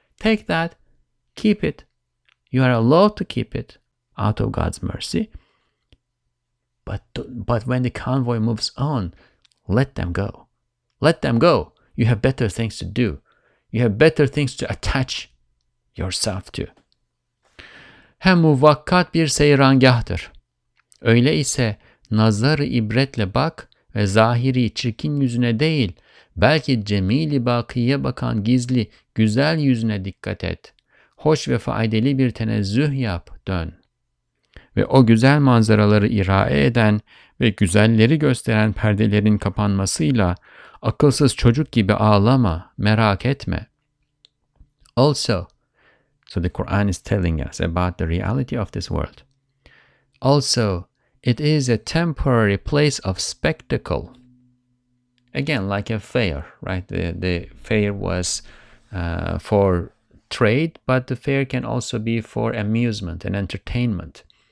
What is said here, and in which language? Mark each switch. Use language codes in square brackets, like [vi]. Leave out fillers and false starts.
[en] Take that, keep it. You are allowed to keep it out of God's mercy. But when the convoy moves on, let them go. Let them go. You have better things to do. You have better things to attach yourself to. [tr] Hem muvakkat bir seyrangahtır. Öyle ise nazarı ibretle bak ve zahiri çirkin yüzüne değil, belki cemili bakiye bakan gizli güzel yüzüne dikkat et. Hoş ve faydalı bir tenezzüh yap, dön. Ve o güzel manzaraları irae eden ve güzelleri gösteren perdelerin kapanmasıyla akılsız çocuk gibi ağlama, merak etme. [en] Also, so the Quran is telling us about the reality of this world. Also, it is a temporary place of spectacle. Again, like a fair, right? The fair was for trade, but the fair can also be for amusement and entertainment.